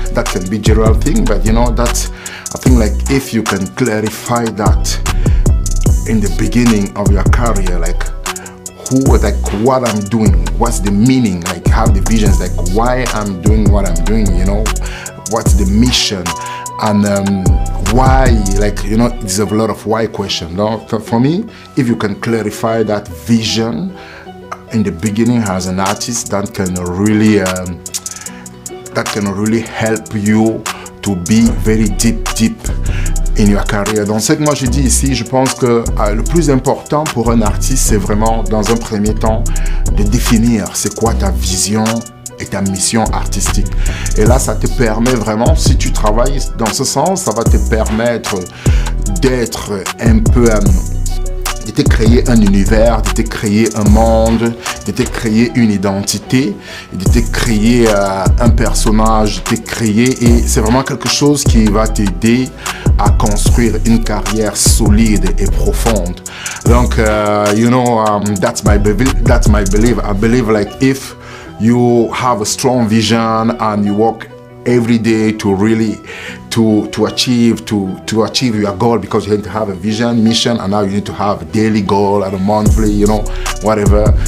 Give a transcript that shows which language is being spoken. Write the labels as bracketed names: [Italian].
[English] That can be a general thing, but you know, that I think like if you can clarify that in the beginning of your career, like who, like what I'm doing, what's the meaning, like have the visions, like why I'm doing what I'm doing, you know, what's the mission, and why, like, you know, it's a lot of why question, no? For me, if you can clarify that vision in the beginning as an artist, that can really help you to be very deep in your career. [French] Donc ce que moi j'ai dit ici, je pense que le plus important pour un artiste, c'est vraiment dans un premier temps de définir c'est quoi ta vision et ta mission artistique. Et là, ça te permet vraiment, si tu travailles dans ce sens, ça va te permettre d'être un peu, de te créer un univers, de te créer un monde, de te créer une identité, de te créer un personnage, de te créer, et c'est vraiment quelque chose qui va t'aider à construire une carrière solide et profonde. [English] Donc, that's my belief. I believe like if you have a strong vision and you work every day to really to achieve your goal, because you need to have a vision, mission, and now you need to have a daily goal and a monthly, you know, whatever.